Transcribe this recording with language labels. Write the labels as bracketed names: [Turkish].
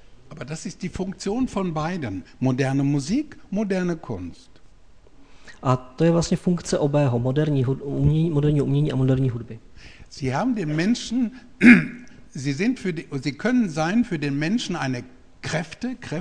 [German] Aber das ist die Funktion von beiden, moderne Musik, moderne Kunst. [Czech] A to je vlastně funkce obého, moderní umění a moderní hudby. [German] Sie haben den Menschen, sie sind für die, sie können sein für den Menschen eine Kräfte.